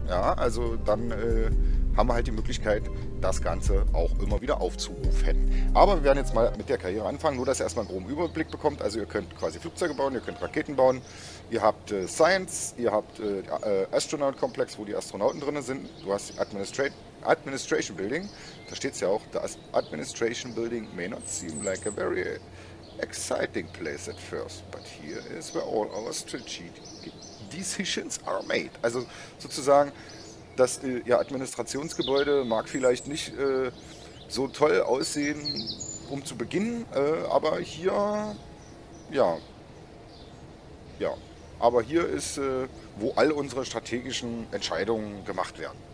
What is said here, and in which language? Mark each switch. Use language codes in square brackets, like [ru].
[de] Ja, also dann haben wir halt die Möglichkeit, das Ganze auch immer wieder aufzurufen. Aber wir werden jetzt mal mit der Karriere anfangen, nur dass ihr erstmal einen groben Überblick bekommt. Also ihr könnt quasi Flugzeuge bauen, ihr könnt Raketen bauen, ihr habt Science, ihr habt Astronaut-Komplex, wo die Astronauten drin sind. Du hast Administrator, [en] Administration Building, [de] da steht es ja auch, [en] das Administration Building may not seem like a very exciting place at first, but here is where all our strategic decisions are made. [de] Also sozusagen, das ja, Administrationsgebäude mag vielleicht nicht so toll aussehen, um zu beginnen, aber hier, ja, ja. Aber hier ist, wo all unsere strategischen Entscheidungen gemacht werden.